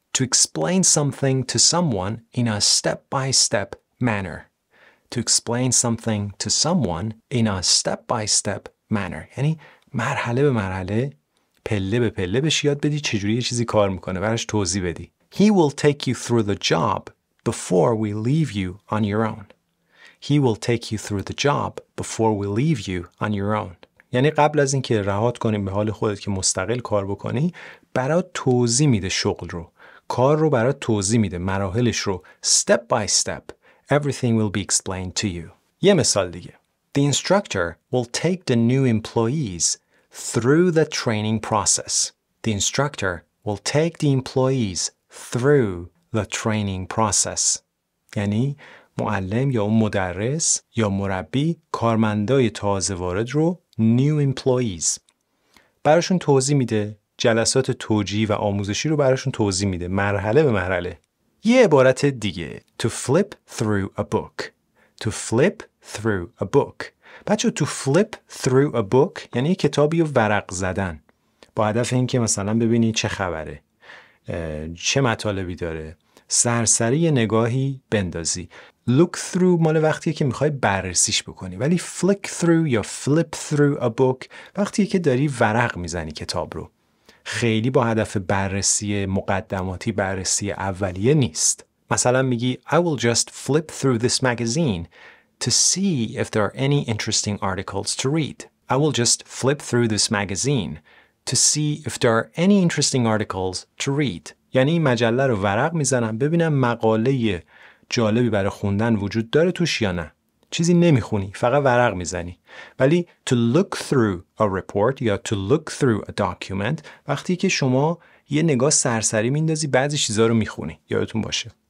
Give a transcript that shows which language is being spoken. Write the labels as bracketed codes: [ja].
[en] To explain something to someone in a step-by-step manner. To explain something to someone in a step-by-step manner. [fa] یعنی مرحله به مرحله، پله به پله بهش یاد بدی چجوری یه چیزی کار میکنه، براش توضیح بدی. [en] He will take you through the job before we leave you on your own. He will take you through the job before we leave you on your own. [fa] یعنی قبل از اینکه رهات کنیم به حال خودت که مستقل کار بکنی، برات توضیح میده شغل رو، کار رو برات توضیح میده، مراحلش رو. [en] Step by step, everything will be explained to you. [fa] یه مثال دیگه. [en] The instructor will take the new employees through the training process. The instructor will take the employees through the training process. [fa] یعنی معلم یا مدرس یا مربی کارمندای تازه وارد رو، new employees، براشون توضیح میده، جلسات توجیه و آموزشی رو براشون توضیح میده، مرحله به مرحله. یه عبارت دیگه، [en] to flip through a book. To flip through a book. [fa] بچه تو flip through a book یعنی یه کتابی رو ورق زدن با هدف این که مثلا ببینی چه خبره، چه مطالبی داره، سرسری نگاهی بندازی. Look through مال وقتی که میخوای بررسیش بکنی، ولی flick through یا flip through a book وقتی که داری ورق میزنی کتاب رو، خیلی با هدف بررسی مقدماتی، بررسی اولیه نیست. مثلا میگی [en] I will just flip through this magazine to see if there are any interesting articles to read. I will just flip through this magazine to see if there are any interesting articles to read. [fa] یعنی مجله رو ورق میزنم ببینم مقاله جالبی برای خوندن وجود داره توش یا نه. چیزی نمیخونی، فقط ورق میزنی. ولی to look through a report یا to look through a document وقتی که شما یه نگاه سرسری میندازی بعضی چیزا رو میخونی، یادتون باشه.